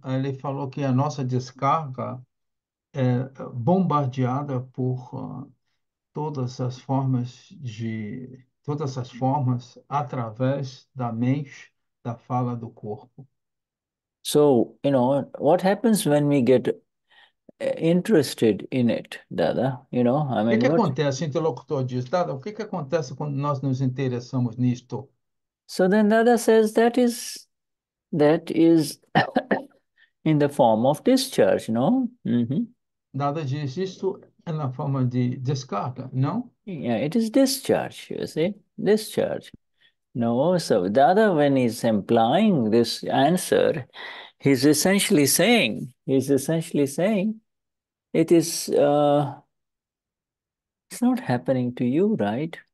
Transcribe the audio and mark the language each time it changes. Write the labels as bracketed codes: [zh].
[pt] Ele falou que a nossa descarga é bombardeada por todas as formas através da mente, da fala do corpo. [en] So, you know, what happens when we get interested in it, Dada? You know, I mean, [pt] O que [en] what? [pt] acontece, interlocutor diz, Dada, o que acontece quando nós nos interessamos nisto? [en] So then Dada says that is in the form of discharge, no? [pt] Dada diz, isto é na forma de descarga, não? [en] Yeah, it is discharge, you see? Discharge. No, so Dada, when he's implying this answer, he's essentially saying, it's not happening to you, right?